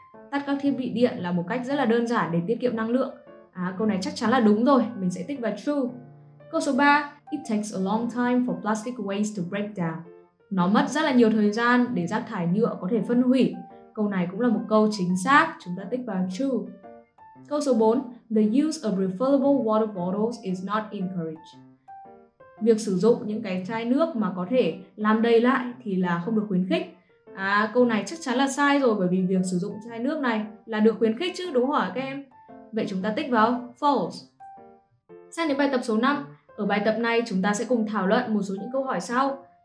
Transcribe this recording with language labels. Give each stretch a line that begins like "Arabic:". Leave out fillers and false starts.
Vietnamese: Tắt các thiết bị điện là một cách rất là đơn giản để tiết kiệm năng lượng. À, câu này chắc chắn là đúng rồi, mình sẽ tích vào true. Câu số 3,
English: it takes a long time for plastic waste to break down.
Vietnamese: Nó mất rất là nhiều thời gian để rác thải nhựa có thể phân hủy. Câu này cũng là một câu chính xác, chúng ta tích vào true. Câu số 4,
English: the use of refillable water bottles is not encouraged.
Vietnamese: Việc sử dụng những cái chai nước mà có thể làm đầy lại thì là không được khuyến khích. À, câu này chắc chắn là sai rồi bởi vì việc sử dụng chai nước này là được khuyến khích chứ đúng không hả các em? Vậy chúng ta tích vào false. Sang đến bài tập số 5, ở bài tập này chúng ta sẽ cùng thảo luận một số những câu hỏi sau.